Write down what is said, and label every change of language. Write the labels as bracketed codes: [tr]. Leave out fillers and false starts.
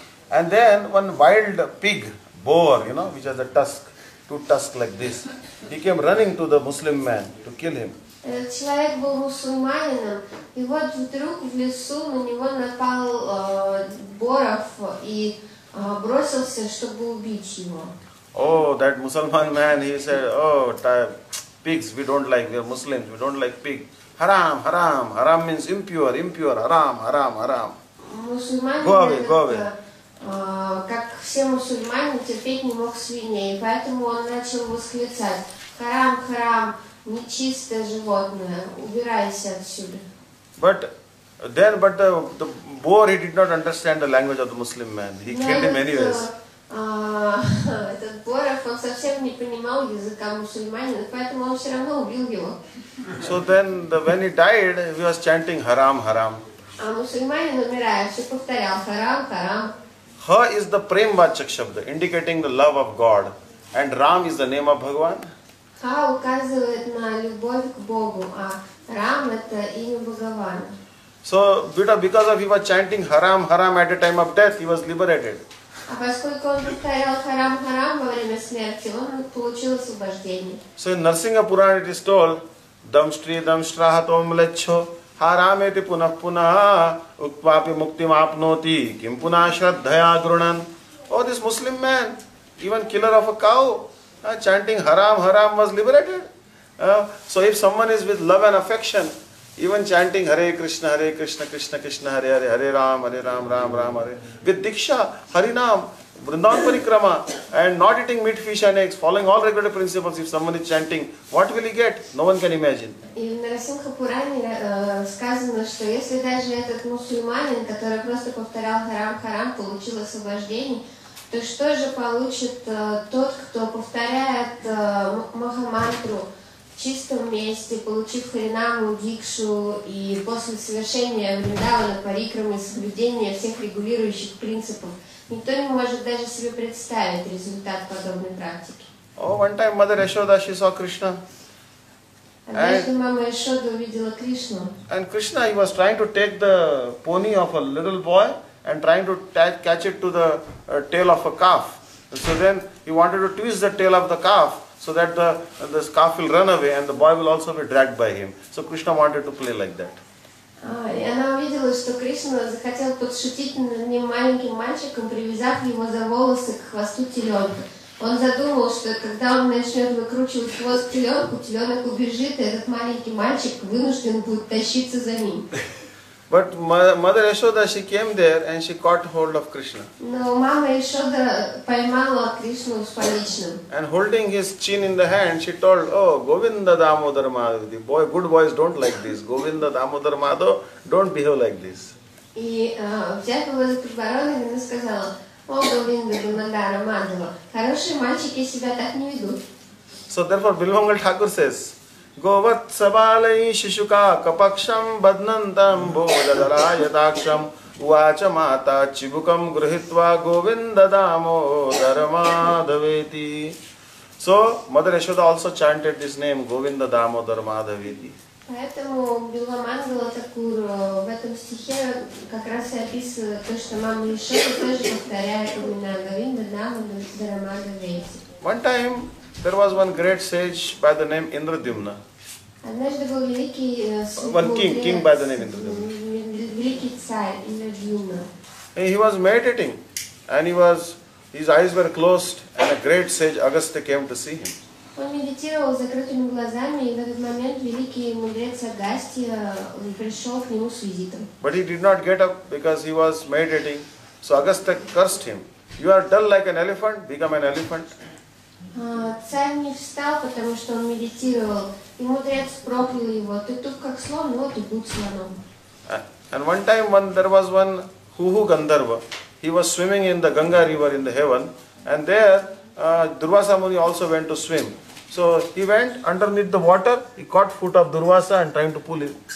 [en] And then one wild pig, boar, you know, which has a tusk, two tusks like this, he came running to the Muslim man to kill him. [ru] Этот человек был мусульманином, и вот вдруг в лесу на него напал боров и бросился, чтобы убить его. [en] Oh, that Muslim man, he said, pigs, we don't like, we are Muslims, we don't like pig. Haram, haram, haram means impure, impure, haram, haram, haram. [ru] Мусульманин, [en] go away, go away. [ru] Как все мусульмане, терпеть не мог свиней, поэтому он начал восклицать. Харам, харам, нечистое животное, убирайся отсюда. [en] But then, but the boar, he did not understand the language of the Muslim man. He killed him anyways. [ru] Этот порох, он совсем не понимал языка мусульманина, поэтому он все равно убил его. [en] So then, when he died, he was chanting Haram, Haram. [ru] А мусульманин умирая, все повторял Харам, Харам. [en] Ha is the premvachak shabda, indicating the love of God, and Ram is the name of Bhagwan. [ru] Ha указывает на любовь к Богу, а Рам это имя Бхагавана. [en] So, because of he was chanting Haram, Haram at the time of death, he was liberated. [ru] А поскольку он повторял Харам, Харам во время смерти, он получил освобождение. [en] So, in Narsingha Puran it is told, [sa] Damshtri Damshtraha Tom Lecho, Харам эти пунах пунах, уквапи муктим апноти, ким пунашрат дхая грунан. [en] Oh, this Muslim man, even killer of a cow, chanting Haram, Haram was liberated. So, if someone is with love and affection, even chanting Hare Krishna, Hare Krishna, Krishna Krishna, Hare Hare, Hare Ram, Hare Ram, Ram Ram, Hare, with Diksha, Harinam, Vrindavan Parikrama, and not eating meat, fish and eggs, following all regulatory principles, if someone is chanting, what will he get? No one can imagine. [ru] И в Нарасимха Пуране сказано, что если даже этот мусульманин, который просто повторял Харам Харам, получил освобождение, то что же получит тот, кто повторяет Махамантру, в чистом месте, получив харинаму, дикшу и после совершения вриндавана, парикрамы, соблюдения всех регулирующих принципов, никто не может даже себе представить результат подобной практики. [en] Oh, one time Mother Yashoda, she saw Krishna. [ru] Однажды мама Яшода увидела Кришну. [en] And Krishna, he was trying to take the pony of a little boy and trying to catch it to the tail of a calf. So then he wanted to twist the tail of the calf, so that the calf will run away and the boy will also be dragged by him. So Krishna wanted to play like that. [ru] И она увидела, что Кришна захотел подшутить над ним маленьким мальчиком, привязав его за волосы к хвосту теленка. Он задумал, что когда он начнет выкручивать хвост теленку, теленок убежит, и этот маленький мальчик вынужден будет тащиться за ним. [en] But Mother Yashoda, she came there and she caught hold of Krishna. [ru] No, Mama Yashoda поймала Кришну с поличным. [en] And holding his chin in the hand, she told, "Oh, Govinda Damodar Madho, the boy, good boys don't like this. Govinda Damodar Madho, don't behave like this." [ru] И взяв его за подбородок, она сказала, "О, Говинда Дамодар Мадо, хорошие мальчики себя так не ведут." [en] So therefore, Bilvamangal Thakur says, [sa] Govatsa balai shishuka kapaksham badnantam bodhadara yataksham uvacha mata chibukam grihitva govinda damo dharma dhaveti. [en] So Mother Yashoda also chanted this name Govinda damo dharma dhaveti. [ru] Поэтому Биламандала Такур в этом стихе как раз и описывает то, что мама Яшода тоже повторяет имена Говинда Дама Дарама Дхавети. [en] One time there was one great sage by the name Indradyumna. [ru] Однажды был великий [en] king by the name Indradyumna. [ru] Великий царь Индрадюмна. [en] He was meditating, and his eyes were closed, and a great sage Agastya came to see him. Он медитировал с закрытыми глазами, и в этот момент великий мудрец Агастья пришел к нему с визитом. But he did not get up because he was meditating, so Agastya cursed him. You are dull like an elephant. Become an elephant. [ru] Царь не встал, потому что он медитировал, и мудрец проклял его. Ты тут как слон, вот и будь слоном. [en] And one time when there was one Huhu Gandharva, he was swimming in the Ganga river in the heaven, and there Durvasa Muni also went to swim. So he went underneath the water, he caught foot of Durvasa and trying to pull him.